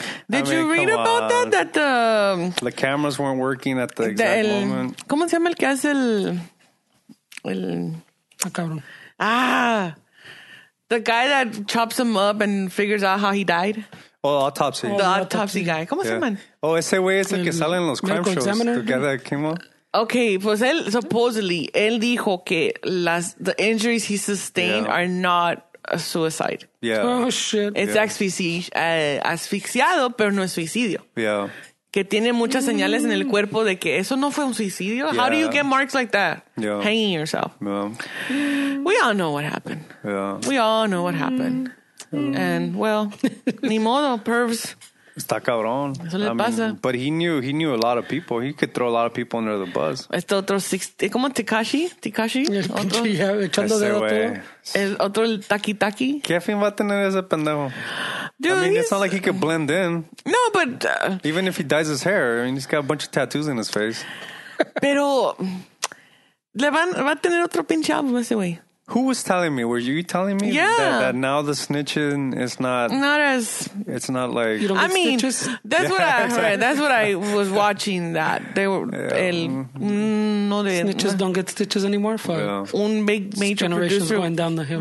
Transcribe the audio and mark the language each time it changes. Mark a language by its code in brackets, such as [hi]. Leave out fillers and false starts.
[en] Did you read about that? That the cameras weren't working at the exact moment. [es] ¿Cómo se llama el que hace el cabrón? [en] The guy that chops him up and figures out how he died. Oh, autopsy. The autopsy guy. [es] ¿Cómo se llama? Ese güey es el que sale en los [en] crime shows. Examiner. The guy that came on. Okay, [es] pues él, [en] supposedly, [es] él dijo que las, [en] the injuries he sustained are not a suicide. Yeah. Oh, shit. [es] It's asfixiado, pero no es suicidio. [en] Yeah. [es] Que tiene muchas señales en el cuerpo de que eso no fue un suicidio. [en] Yeah. How do you get marks like that? Yeah. Hanging yourself. Yeah. We all know what happened. Yeah. We all know what happened. Mm. And, well, [es] ni modo, [en] pervs. [es] Está cabrón. Eso le pasa. Mean, [en] but he knew a lot of people. He could throw a lot of people under the bus. [es] Este otro, ¿cómo? Tekashi? Tekashi? Otro. Yeah, echando dedo todo. El otro, el Taki Taki. ¿Qué fin va a tener ese pendejo? [en] Dude, I mean, it's not like he could blend in. No, but... Even if he dyes his hair, I mean, he's got a bunch of tattoos in his face. [es] Pero... le van, va a tener otro pinche álbum ese güey. [en] Who was telling me? Were you telling me that now the snitching is not as it's not like you don't get snitches? That's what I heard. That's what I was watching. That they were snitches don't get stitches anymore. For un major generations going down the hill.